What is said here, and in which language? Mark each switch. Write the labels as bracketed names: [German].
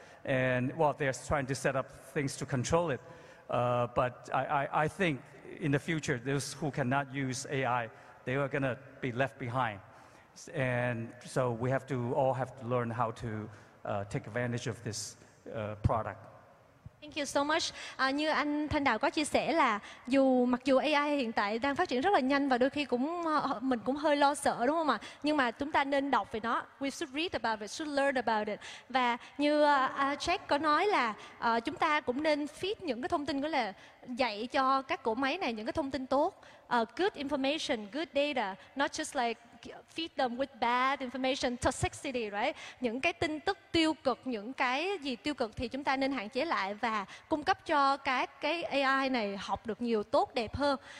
[English] And, well, they're trying to set up things to control it. But I think in the future, those who cannot use AI, they are going to be left behind. And so we have to all have to learn how to take advantage of this product. Thank you so much. [Vietnamese] Như anh Thanh Đào có chia sẻ là dù mặc dù AI hiện tại đang phát triển rất là nhanh và đôi khi cũng mình cũng hơi lo sợ đúng không ạ? Nhưng mà chúng ta nên đọc về nó. [English] We should read about it, should learn about it. [Vietnamese] Và như Jack có nói là chúng ta cũng nên feed những cái thông tin, có là dạy cho các cỗ máy này những cái thông tin tốt, [English] good information, good data, not just like feed them with bad information, toxicity, right? [Vietnamese] Những cái tin tức tiêu cực, những cái gì tiêu cực thì chúng ta nên hạn chế lại và cung cấp cho các cái AI này học được nhiều tốt đẹp hơn.